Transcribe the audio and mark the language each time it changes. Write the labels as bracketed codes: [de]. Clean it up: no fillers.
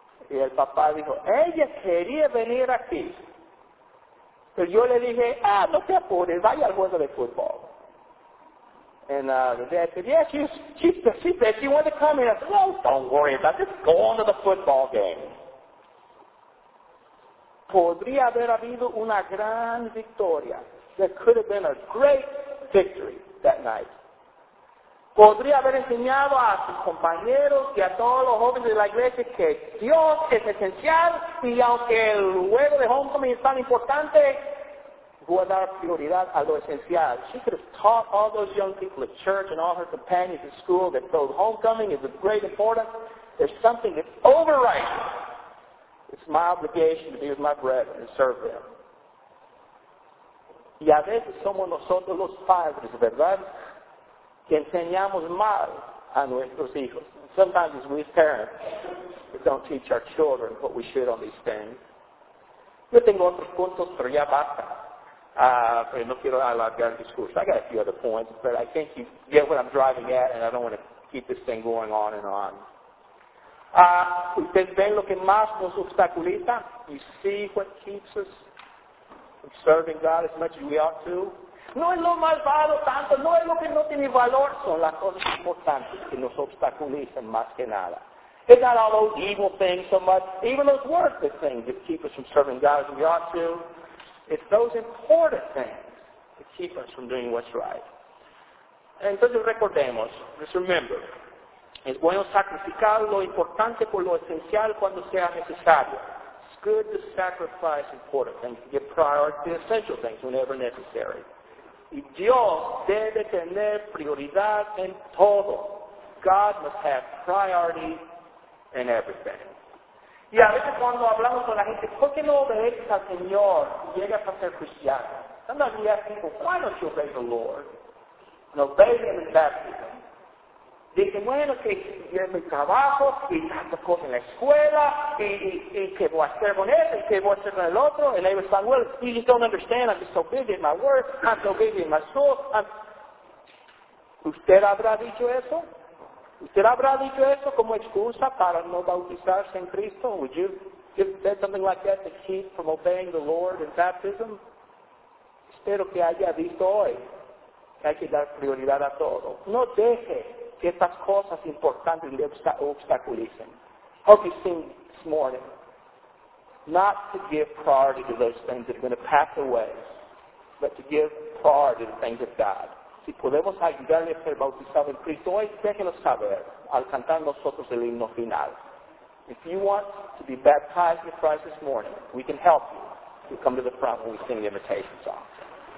[es] Y el papá dijo, ella quería venir aquí. Pero yo le dije, no te apures, vaya al juego de fútbol. [en] And the dad said, yeah, she said she wanted to come here. I said, well, don't worry about it, just go on to the football game. [es] Podría haber habido una gran victoria. [en] There could have been a great victory that night. [es] Podría haber enseñado a sus compañeros y a todos los jóvenes de la iglesia que Dios es esencial y aunque el juego de homecoming es tan importante, [en] who [es] va a dar prioridad a lo esencial. [en] She could have taught all those young people at church and all her companions at school that though homecoming is of great importance, there's something that overrides it's my obligation to be with my brethren and serve them. [es] Y a veces somos nosotros los padres, ¿verdad? Que enseñamos mal a nuestros hijos. [en] Sometimes it's we as parents that don't teach our children what we should on these things. [es] Yo tengo otros puntos, pero ya basta. Pero no quiero alargar el discurso. [en] I got a few other points, but I think you get what I'm driving at, and I don't want to keep this thing going on and on. [es] ¿Ustedes ven lo que más nos obstaculiza? [en] You see what keeps us serving God as much as we ought to? [es] No es lo malvado tanto, no es lo que no tiene valor, son las cosas importantes que nos obstaculizan más que nada. [en] It's not all those evil things so much, even those worthy things that keep us from serving God as we ought to. It's those important things that keep us from doing what's right. [es] Entonces recordemos, [en] just remember, [es] es bueno sacrificar lo importante por lo esencial cuando sea necesario. [en] Good to sacrifice important things, to give priority to essential things whenever necessary. [es] Y Dios debe tener prioridad en todo. [en] God must have priority in everything. [es] Y a veces cuando hablamos con la gente, ¿por qué no obedeces al Señor y llegas a ser cristiano? [en] Sometimes we ask people, why don't you obey the Lord? And obey Him in baptism. [es] Dije, bueno, que yo en mi trabajo, y tantas cosas en la escuela, y que voy a hacer con este, y que voy a hacer con el otro. [en] And they respond, well, you just don't understand, I'm just so busy in my work, I'm so busy in my school. [es] ¿Usted habrá dicho eso? ¿Usted habrá dicho eso como excusa para no bautizarse en Cristo? [en] Would you have said something like that to keep from obeying the Lord in baptism? [es] Espero que haya visto hoy que hay que dar prioridad a todo. No deje que estas cosas importantes le obstaculicen. [en] Hope you've seen this morning not to give priority to those things that are going to pass away, but to give priority to the things of God. [es] Si podemos ayudarle a ser bautizado en Cristo hoy, déjelo saber al cantar nosotros el himno final. [en] If you want to be baptized in Christ this morning, we can help you. You come to the front when we sing the invitation song.